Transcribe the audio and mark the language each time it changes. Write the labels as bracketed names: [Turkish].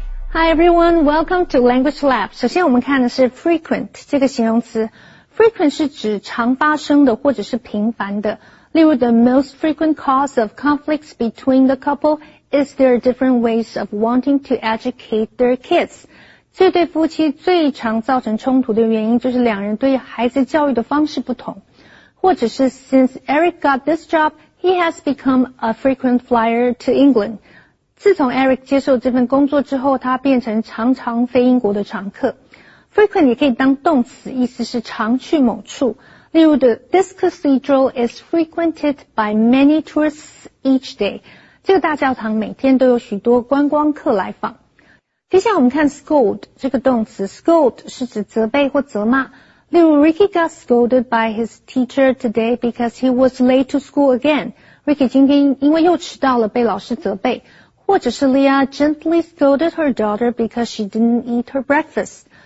[English] Hi everyone, welcome to Language Lab. [Chinese] 首先我们看的是 frequent 这个形容词。 Frequent 是指常发生的或者是频繁的。例如 [English] the most frequent cause of conflicts between the couple is their different ways of wanting to educate their kids. [Chinese] 这对夫妻最常造成冲突的原因就是两人对孩子教育的方式不同。或者是 [English] since Eric got this job, he has become a frequent flyer to England. [Chinese] 自从 Eric 接受这份工作之后他变成常常飞英国的常客。 Frequent 也可以当动词，意思是常去某处。例如 [English] This cathedral is frequented by many tourists each day. [Chinese] 这个大教堂每天都有许多观光客来访。接下来我们看 scold 这个动词。Scold 是指责备或责骂。例如 [English] Ricky got scolded by his teacher today because he was late to school again. [Chinese] Ricky 今天因为又迟到了被老师责备。或者是 [English] Leah gently scolded her daughter because she didn't eat her breakfast.